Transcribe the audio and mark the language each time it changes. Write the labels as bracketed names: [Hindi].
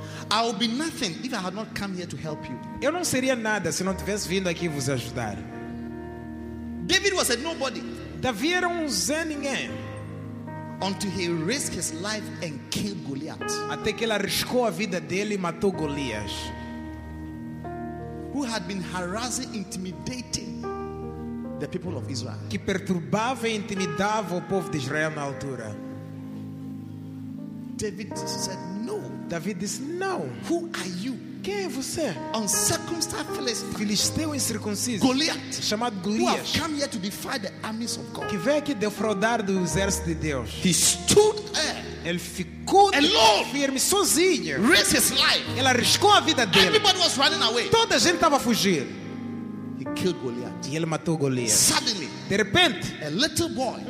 [English] I would be nothing if I had not come here to help you. [Portuguese] Eu não seria nada se não tivesse vindo aqui vos ajudar. [English] David was a nobody. [Portuguese] Davi era zé ninguém. [English] Until he risked his life and killed Goliath. [Portuguese] Até que ele arriscou a vida dele e matou Golias. [English] Who had been harassing, intimidating the people of Israel. [Portuguese] Que perturbava e intimidava o povo de Israel na altura. [English] David said no. [Portuguese] David disse não. [English] Who are you? [Portuguese] Quem é você? [English] Uncircumcised Philistine. [Portuguese] Filisteu incircunciso. [English] Goliath. [Portuguese] Chamado Golias. [English] Who came here to defy the armies of God. [Portuguese] Que veio aqui defraudar do exército de Deus. [English] He stood there. [Portuguese] Ele ficou [English] alone, [Portuguese] firme sozinho. [English] Risked his life. [Portuguese] Ele arriscou a vida dele. [English] Everybody was running away. [Portuguese] Toda a gente estava a fugir. [English] He killed Goliath. [Portuguese] E ele matou Golias. [English] Suddenly. [Portuguese] De repente. [English] A little boy.